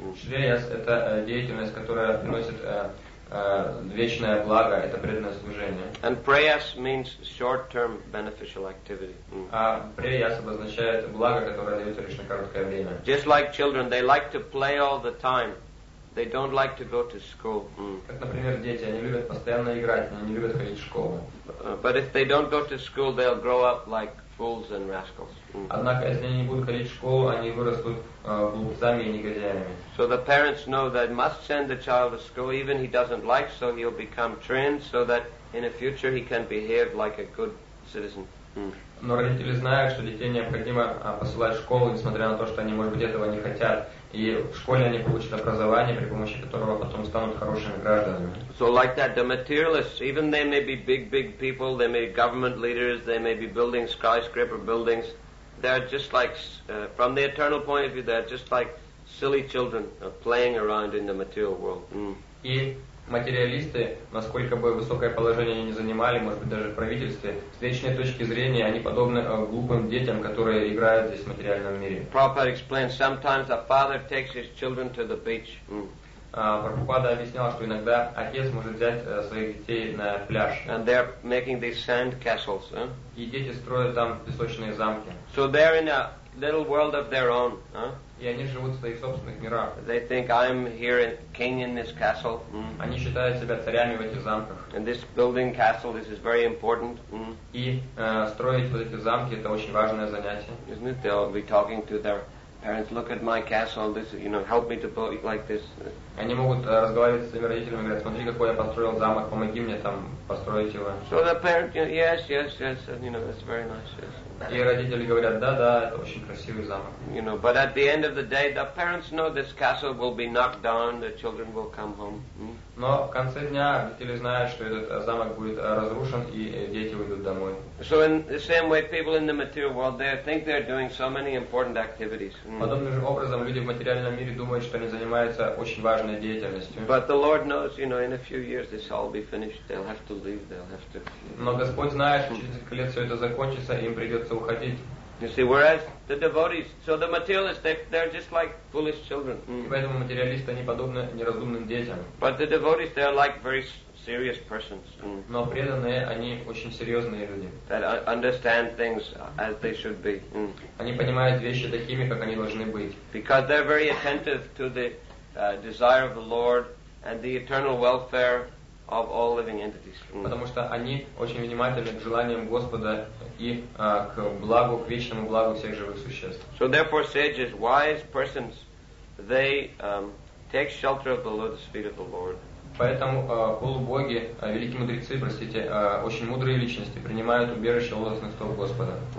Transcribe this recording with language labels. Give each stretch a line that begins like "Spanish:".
Russian: Shreyas – это деятельность, которая приносит вечное благо, это преданное служение.
English: And preyas means short-term beneficial activity.
Russian: А preyas обозначает благо, которое дается лишь на короткое время.
English: Just like children, they like to play all the time. They don't like to go to school.
Russian: Как, например, дети, они любят постоянно играть, но они не любят ходить в школу.
English: But if they don't go to school, they'll grow up like fools and rascals.
Russian: Однако, если они не будут ходить в школу, они вырастут глупцами и негодяями.
English: So the parents know that must send the child to school, even he doesn't like, so he'll become trained, so that in the future he can behave like a good citizen.
Russian: Но родители знают, что детей необходимо посылать в школу, несмотря на то, что они, может быть, этого не хотят. И в школе они получат образование, при помощи которого потом станут хорошими гражданами.
English: So like that, the materialists, even they may be big people, they may be government leaders, they may be building skyscraper buildings, they're just like, from the eternal point of view, they're just like silly children playing around in the material world.
Russian: И материалисты, насколько бы высокое положение они ни занимали, может быть, даже в правительстве, с личной точки зрения, они подобны глупым детям, которые играют здесь в материальном мире.
English: Prabhupada explained, sometimes a father takes his children to the beach.
Russian: Прабхупада объяснял, что иногда отец может взять своих детей на пляж.
English: And they're making these sand castles.
Russian: И дети строят там песочные замки.
English: So they're in a little world of their own.
Russian: И они живут в своих собственных мирах.
English: They think I'm here in king in this castle.
Russian: Они считают себя царями в этих замках.
English: And this building castle, this is very important.
Russian: И строить вот эти замки это очень важное занятие.
English: Isn't it? They'll be talking to their parents, look at my castle, this, you know, help me to build it like this.
Russian: Они могут разговаривать с своими родителями, говорят, смотри, какой я построил замок, помоги мне там построить его.
English: So the parent, you know, yes, and, you know, that's very nice, yes.
Russian: И родители говорят, да, это очень красивый замок.
English: You know, but at the end of the day, the parents know this castle will be knocked down, the children will come home.
Russian: Но в конце дня родители знают, что этот замок будет разрушен, и дети уйдут домой.
English: So in the same way, people in the material world, they think they're doing so many important activities.
Russian: Подобным же образом, люди в материальном мире думают, что они занимаются очень важной деятельностью.
English: But the Lord knows, you know, in a few years this all be finished, they'll have to leave, they'll have to...
Russian: Но Господь знает, что через несколько лет все это закончится, им придется...
English: You see, whereas the devotees, so the materialists, they're just like foolish children.
Russian: Поэтому материалисты они подобны неразумным детям.
English: But the devotees, they're like very serious persons.
Russian: Но преданные они очень серьезные люди.
English: That understand things as they should be.
Russian: Они понимают вещи такими, как они должны быть.
English: Because they're very attentive to the desire of the Lord and the eternal welfare of all living entities.
Russian: Потому что они очень внимательны к желаниям Господа и к благу, к вечному благу всех живых существ.
English: So therefore sages, wise persons, they take shelter of the lotus feet of the Lord.
Russian: Поэтому полубоги, великие мудрецы, простите, очень мудрые личности принимают убежище лотосных стоп Господа.